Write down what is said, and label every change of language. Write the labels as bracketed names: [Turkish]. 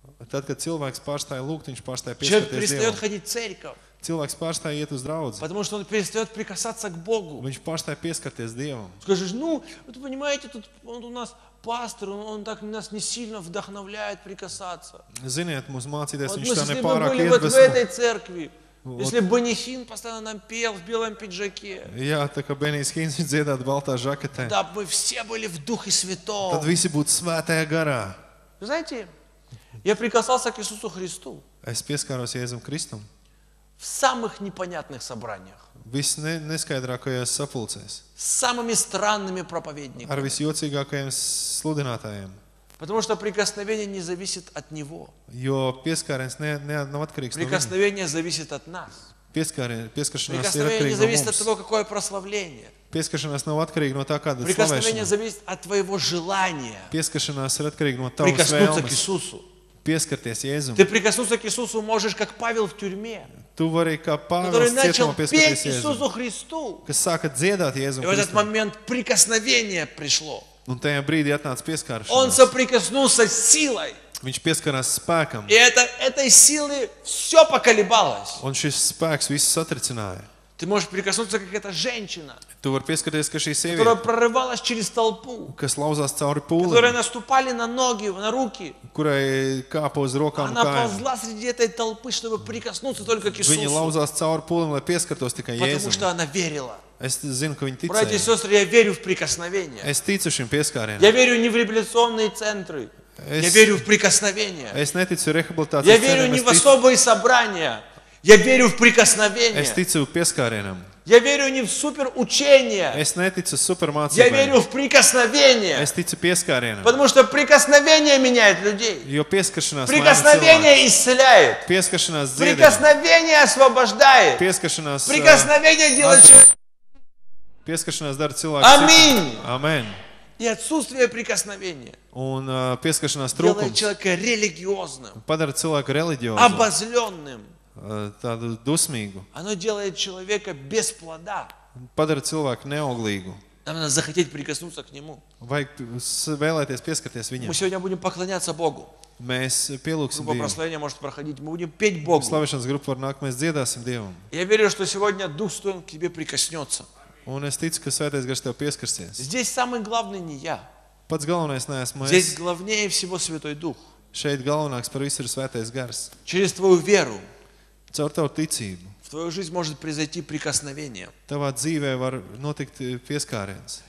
[Latvian] Tad, kad cilvēks pārstāja lūgt, viņš pārstāja pieskarties Dievam. Cilvēks pārstāja iet uz draudzi. [Russian] Потому что он перестаёт прикасаться к Богу. [Latvian] Viņš pārstāja pieskarties Dievam. [Russian] Скажешь, ну, вы понимаете, тут он у нас пастор, он так нас не сильно вдохновляет прикасаться. [Latvian] Ziniet, mums mācīties, viņš tā nepārāk iedvesmo. [Russian] Мы были в этой церкви. Если бы не Хин постоянно нам пел в белом пиджаке. [Latvian] Я так обенис Хин дзеда от балта жакета. [Russian] Да бы все были в духе святом. Тогда все будут святая гора. Знаете, я прикасался к Иисусу Христу. [Latvian] Es pieskāros Jēzum Kristum. [Russian] В самых непонятных собраниях. [Latvian] Viss neskaidrākajās sapulcēs. [Russian] С самыми странными проповедниками. [Latvian] Ar visjocīgākajiem sludinātājiem. [Russian] Потому что прикосновение не зависит от него. [Latvian] Jo pieskāriens ne no atkarīgs. [Russian] Прикосновение зависит от нас. [Latvian] Pieskāršanās ir atkarīga. [Russian] Прикосновение зависит от того, какое прославление. [Latvian] Pieskāršanās nav atkarīga no tā, kāda [Russian] Прикосновение зависит от твоего желания. [Latvian] Pieskāršanās ir atkarīga no tavas vēlmes. [Russian] Прикоснуться к Иисусу. [Latvian] Pieskarties Jēzum. [Russian] Ты прикоснуться к Иисусу можешь, как Павел в тюрьме. [Latvian] Tu vari kā Pāvils cietumā pieskarties Jēzum. [Russian] Христу. [Latvian] Kas sāka dziedāt Jēzum Kristu. [Russian] В этот момент прикосновение пришло. [Latvian] Un tajā brīdī atnāca pieskāršanās. [Russian] Он соприкоснулся с силой. [Latvian] Viņš pieskarās spēkam. [Russian] И это этой силы всё поколебалось. [Latvian] Un šis spēks visu satricināja. [Russian] Ты можешь прикоснуться как эта женщина. [Latvian] Tu vari pieskarties kā šī sieviete. [Russian] Которая прорывалась через толпу. [Latvian] Kas lauzās cauri pūlim. [Russian] Которая наступали на ноги, на руки. [Latvian] Kurai kāpa uz rokām un kājām. [Russian] Она ползла среди этой толпы, чтобы прикоснуться только к Иисусу. [Latvian] Viņa lauzās cauri pūlim, lai pieskartos tikai Jēzum. [Russian] Потому что она верила. [Latvian] Es zinu, ka viņi ticēja. [Russian] Братья и сестры, я верю в прикосновение. [Latvian] Es ticu šim pieskārienam. [Russian] Я верю не в реабилитационные центры. Я верю в прикосновение. [Latvian] Es neticu rehabilitācijas centriem. [Russian] Я верю не в особые собрания. Я верю в прикосновение. [Latvian] Es ticu pieskārienam. [Russian] Я верю не в суперучение. [Latvian] Es neticu supermācībām. [Russian] Я верю в прикосновение. [Latvian] Es ticu pieskārienam. [Russian] Потому что прикосновение меняет людей. [Latvian] Jo pieskaršanās [Russian] прикосновение исцеляет. [Latvian] Pieskaršanās dziedina. [Russian] Прикосновение освобождает. [Latvian] Pieskaršanās [Russian] прикосновение делает [Latvian] Pieskaršanās dara cilvēku stipru. Amen. [Russian] И отсутствие прикосновения. [Latvian] Un pieskaršanās trūkums. [Russian] Делает человека религиозным. [Latvian] Padara cilvēku religiozu. [Russian] Обозлённым. [Latvian] Tādu dusmīgu. [Russian] Оно делает человека без плода. [Latvian] Padara cilvēku neauglīgu. [Russian] Нам надо захотеть прикоснуться к нему. [Latvian] Vajag vēlēties pieskarties viņam. [Russian] Мы сегодня будем поклоняться Богу. [Latvian] Mēs pielūksim Dievu. [Russian] Grupa proslavienia может проходить. Мы будем петь Богу. [Latvian] Slavēšanas grupa var nākt, mēs dziedāsim Dievam. [Russian] Я верю, что сегодня Дух Святой к тебе прикоснётся. [Latvian] Un es ticu, ka Svētais Garš tev pieskarsies. [Russian] Здесь самый главный не я. [Latvian] Pats galvenais neesmu es. [Russian] Здесь главнее всего Святой Дух. [Latvian] Šeit galvenāks par visu ir Svētais Gars. [Russian] Через твою веру. [Latvian] Caur tavu ticību. [Russian] В твою жизнь может произойти прикосновение. [Latvian] Tavā dzīvē var notikt pieskāriens.